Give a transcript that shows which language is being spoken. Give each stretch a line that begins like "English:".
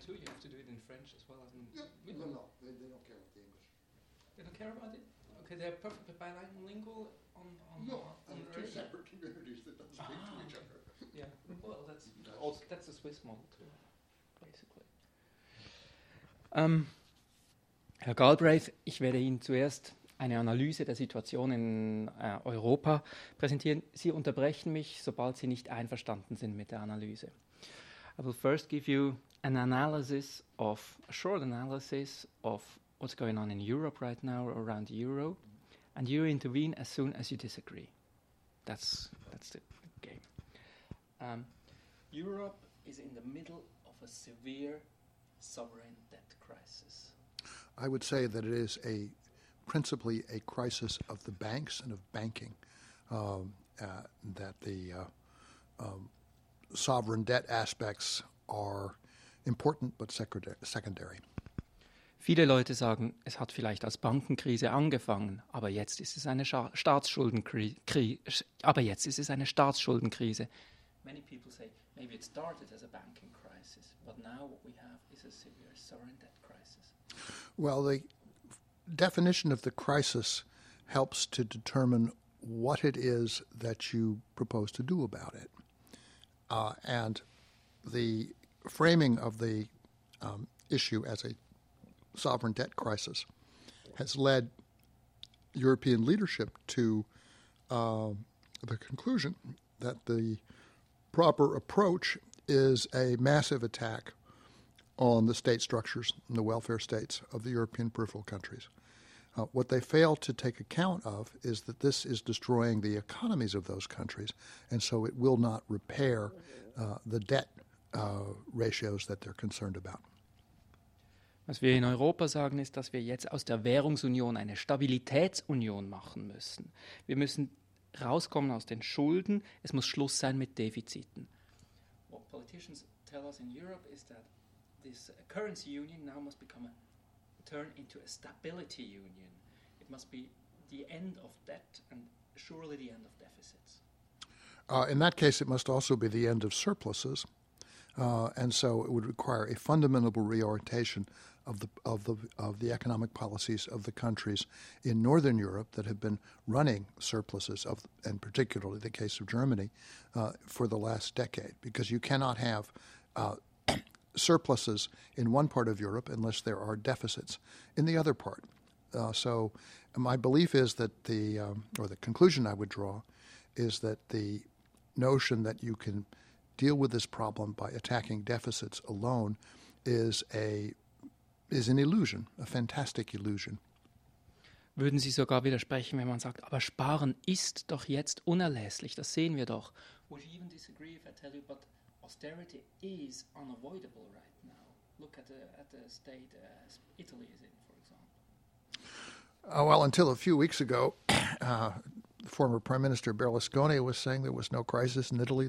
English: too, you have to do it in French as well. No, they don't care about the English. They don't care about it? Okay, they're perfectly bilingual on two separate communities that don't speak to each other. Yeah, well, that's a Swiss model too, basically.
German: Herr Galbraith, ich werde Ihnen zuerst eine Analyse der Situation in Europa präsentieren. Sie unterbrechen mich, sobald Sie nicht einverstanden sind mit der Analyse.
English: I will first give you a short analysis of what's going on in Europe right now, around the euro, and you intervene as soon as you disagree. That's the game. Europe is in the middle of a severe sovereign debt crisis. I would say that it is principally a crisis of the banks and of banking, that the sovereign debt aspects are important, but secondary.
German: Viele Leute sagen, es hat vielleicht als Bankenkrise angefangen, aber jetzt ist es eine Staatsschuldenkrise.
English: Many people say maybe it started as a banking crisis, but now what we have is a severe sovereign debt crisis. Well, the definition of the crisis helps to determine what it is that you propose to do about it, and the framing of the issue as a sovereign debt crisis has led European leadership to the conclusion that the proper approach is a massive attack on the state structures and the welfare states of the European peripheral countries. What they fail to take account of is that this is destroying the economies of those countries, and so it will not repair the debt ratios that they're concerned about.
German: Was wir in Europa sagen, ist, dass wir jetzt aus der Währungsunion eine Stabilitätsunion machen müssen. Wir müssen rauskommen aus den Schulden. Es muss Schluss sein mit Defiziten.
English: What politicians tell us in Europe is that this currency union now must become turn into a stability union. It must be the end of debt and surely the end of deficits. In that case, it must also be the end of surpluses. And so it would require a fundamental reorientation of the economic policies of the countries in Northern Europe that have been running surpluses, and particularly the case of Germany, for the last decade. Because you cannot have surpluses in one part of Europe unless there are deficits in the other part. So my belief is that the conclusion I would draw is that the notion that you can deal with this problem by attacking deficits alone is an illusion, a fantastic illusion.
German: Würden Sie sogar widersprechen, wenn man sagt, aber sparen ist doch jetzt unerlässlich, das sehen wir doch.
English: Would you even disagree if I tell you, but austerity is unavoidable right now? Look at the state as Italy is in, for example. Well, until a few weeks ago, former Prime Minister Berlusconi was saying there was no crisis in Italy.